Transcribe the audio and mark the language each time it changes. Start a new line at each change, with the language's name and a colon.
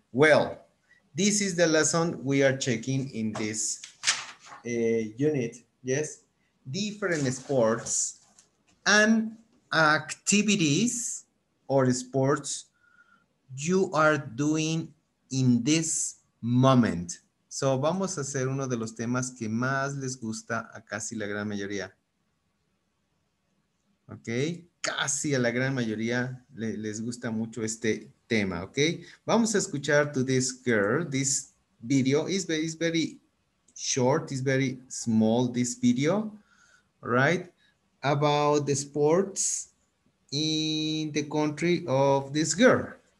English: Well, this is the lesson we are checking in this unit, yes? Different sports and activities or sports you are doing in this moment.
Spanish: So vamos a hacer uno de los temas que más les gusta a casi la gran mayoría. Ok, casi a la gran mayoría les gusta mucho este tema, okay? Vamos a escuchar
English: to this girl. This video is very short, is very small, this video, right? About the sports in the country of this girl.